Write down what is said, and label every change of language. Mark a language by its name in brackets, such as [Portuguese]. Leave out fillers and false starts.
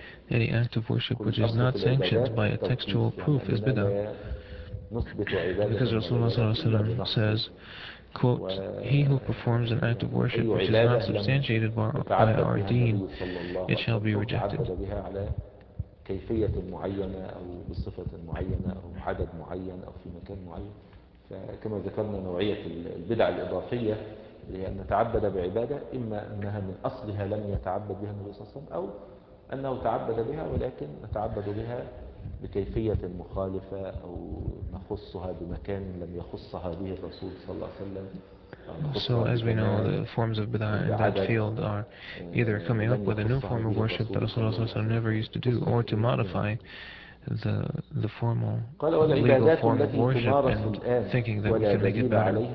[English] Any act of worship which is not sanctioned by a textual proof is bid'ah. Because Rasulullah says, quote, he who performs an act of worship which is not substantiated by our deen, it shall be rejected. [Arabic] كيفية معينة أو بصفة معينة أو عدد معين أو في مكان معين. فكما ذكرنا نوعية البدع الإضافية هي أن نتعبد بعبادة إما أنها من أصلها لم يتعبد بها النبي صلى الله عليه وسلم أو أنه تعبد بها ولكن نتعبد بها بكيفية مخالفة أو نخصها بمكان لم يخصها به الرسول صلى الله عليه وسلم. [English] So as we know, the forms of bid'ah in that field are either coming up with a new form of worship that Rasulullah never used to do, or to modify the formal legal form of worship and thinking that we can make it better.